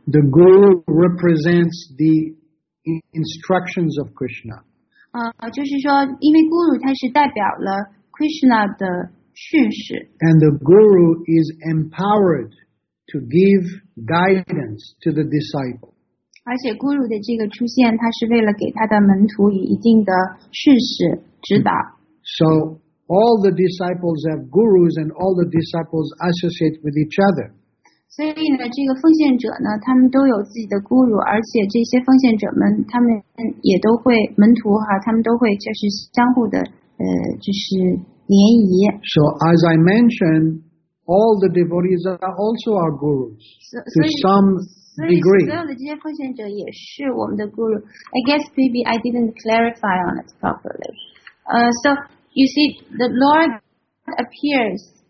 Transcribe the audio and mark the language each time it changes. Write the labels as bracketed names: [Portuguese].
[English] The guru represents the... instructions of Krishna. [Chinese] 就是说因为 Guru 他是代表了 Krishna 的训示。 [English] And the Guru is empowered to give guidance to the disciple. [Chinese] 而且 Guru 的这个出现他是为了给他的门徒以一定的训示指导。 [English] So all the disciples have gurus and all the disciples associate with each other. [Chinese] 所以呢，这个奉献者呢，他们都有自己的 guru， 而且这些奉献者们，他们也都会门徒哈，他们都会就是相互的就是联谊。 [English] So as I mentioned, all the devotees are also our gurus to some degree. [Chinese] 所以所有的这些奉献者也是我们的 guru. [English] I guess maybe I didn't clarify on it properly. So you see, the Lord appears.